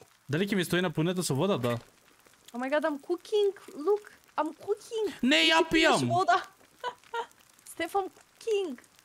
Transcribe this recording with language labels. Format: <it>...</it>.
<mk>Дали ќе ми стои напунето со вода, да?</mk> <en>Oh my god, I'm cooking, look, I'm cooking!</en> <mk>Не, ја пијам! Вода. Стефан, cooking!</mk>